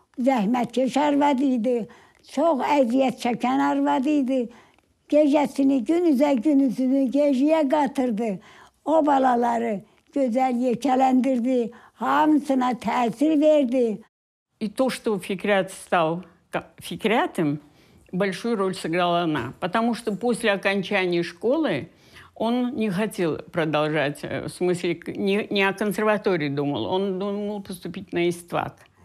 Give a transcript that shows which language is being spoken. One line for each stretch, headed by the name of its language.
Azerbaijani: Zəhmətkeş arvad idi, çox əziyyət çəkən arvad idi. Gecəsini, günüzə günüzünü gecəyə qatırdı. O balaları, güzel yekelendirdi, hamısına təsir verdi.
Russian: И то, что Фикрят стал Фикрятом, большую роль сыграла она. Потому что после окончания школы он не хотел продолжать, в смысле, не о консерватории думал, он думал поступить на ИСТВАК.